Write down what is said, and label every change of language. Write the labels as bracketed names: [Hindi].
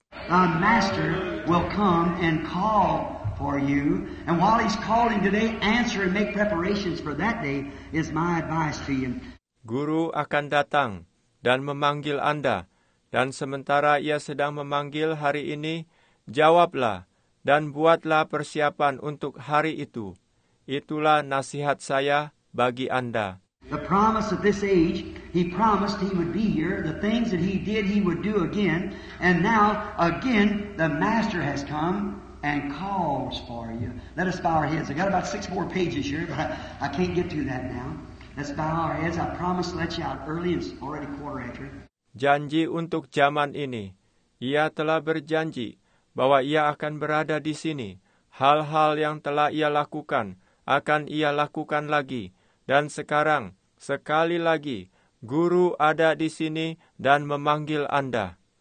[English] The master will come and call for you, and while he's calling today, answer and make preparations for that day is my advice to you. [Indonesian] Guru akan datang dan memanggil Anda, dan sementara ia sedang memanggil hari ini, jawablah dan buatlah persiapan untuk hari itu. Itulah nasihat saya bagi Anda. [English] The promise of this age, he promised he would be here. The things that he did, he would do again. And now, again, the master has come and calls for you. Let us bow our heads. I got about 6 more pages here, but I can't get to that now. Let's bow our heads. I promise to let you out early. It's already 4:15. [Indonesian] Janji untuk zaman ini. Ia telah berjanji bahwa ia akan berada di sini. Hal-hal yang telah ia lakukan akan ia lakukan lagi. Dan sekarang, sekali lagi, guru ada di sini dan memanggil Anda.